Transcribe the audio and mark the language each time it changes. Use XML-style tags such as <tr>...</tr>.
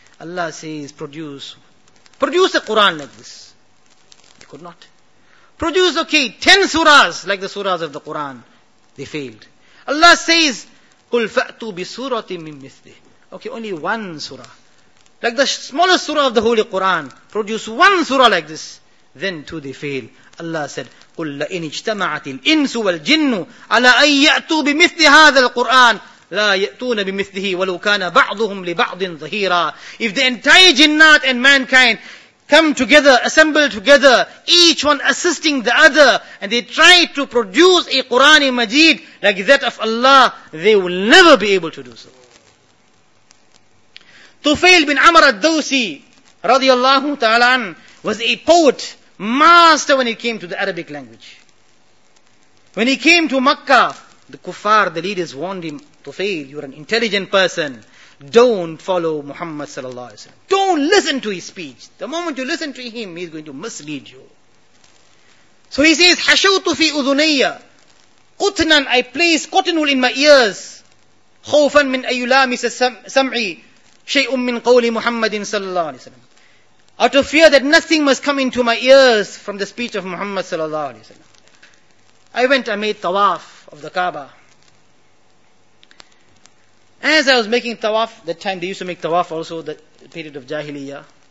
<en>Allah says, produce a Qur'an like this. They could not. Produce, okay, 10 surahs like the surahs of the Qur'an. They failed. Allah says,</en> <ar>قُلْ فَأْتُوا بِسُورَةٍ مِّن مِّثْلِهِ.</ar> <en>Okay, only one surah. Like the smallest surah of the Holy Quran, produce one surah like this. Then too they fail. Allah said,</en> <ar>قُلْ لَئِنِ اجْتَمَعَتِ الْإِنسُ وَالْجِنُّ عَلَىٰ أَن يَأْتُوا بِمِثْلِ هَذَا الْقُرْآنِ لَا يَأْتُونَ بِمِثْلِهِ وَلَوْ كَانَ بَعْضُهُمْ لِبَعْضٍ ظَهِيرًا.</ar> <en>If the entire jinnat and mankind come together, assemble together, each one assisting the other, and they try to produce a Qur'an Majeed like that of Allah, they will never be able to do so. Tufail bin Amr al-Dawsi, radiallahu ta'ala an, was a poet, master when it came to the Arabic language. When he came to Makkah, the kuffar, the leaders warned him, Tufail, you're an intelligent person. Don't follow Muhammad sallallahu alaihi wasallam. Don't listen to his speech. The moment you listen to him, he's going to mislead you. So he says,</en> <ar>حَشَوْتُ فِي أُذُنَيَّ قُتْنًا.</ar> <en>I place cotton wool in my ears.</en> <ar>خَوْفًا مِنْ أَيُّلَامِسَ سَمْعِي شَيْءٌ مِّنْ قَوْلِ مُحَمَّدٍ sallallahu alaihi wasallam.</ar> <en>Out of fear that nothing must come into my ears from the speech of Muhammad sallallahu alaihi wasallam. I went, I made tawaf of the Kaaba. As I was making tawaf, that time they used to make tawaf also, the period of Jahiliyyah.</en>